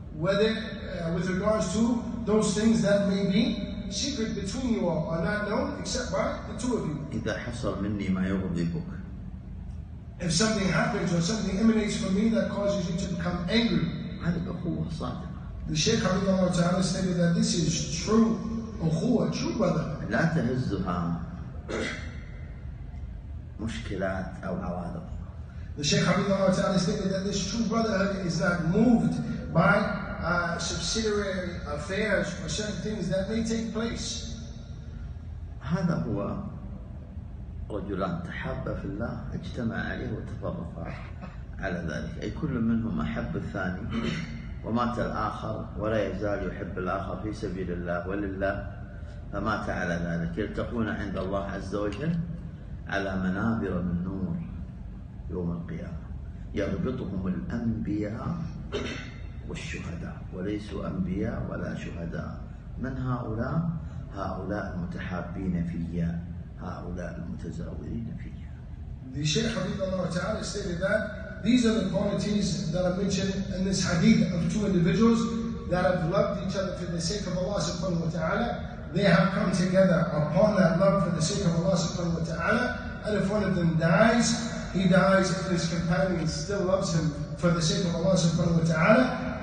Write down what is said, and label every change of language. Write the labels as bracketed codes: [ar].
[en] Whether with regards to those things that may be secret between you all or not known except by the two of you. [ar] إذا حصل مني ما يغضبك. [en] If something happens or something emanates from me that causes you to become angry. [ar] هذه أخوة صادقة. [en] The Shaykh Hafidhullah Ta'ala stated that this is true ukhuwa, true brotherhood. [ar] لا تهزها مشكلات أو عوادق. [en] The Shaykh Hafidhullah Ta'ala stated that this true brotherhood is not moved by subsidiary affairs or certain things that may take place. [ar] هذا هو رجلان تحب في الله اجتمع عليه وتفرق على ذلك أي كل منهم أحب الثاني ومات الآخر ولا يزال يحب الآخر في سبيل الله ولله فمات على ذلك يلتقون عند الله عز وجل على منابر من نور يوم القيامة يربطهم الأنبياء والشهداء وليسوا أنبياء ولا شهداء من هؤلاء؟ هؤلاء المتحابين فيا هؤلاء المتزاورين فيا [en] The Shaykh Hafidhullah Ta'ala stated that these are the qualities that are mentioned in this hadith of two individuals that have loved each other for the sake of Allah subhanahu wa ta'ala. They have come together upon that love for the sake of Allah subhanahu wa ta'ala. And if one of them dies, he dies and his companion still loves him for the sake of Allah subhanahu wa ta'ala.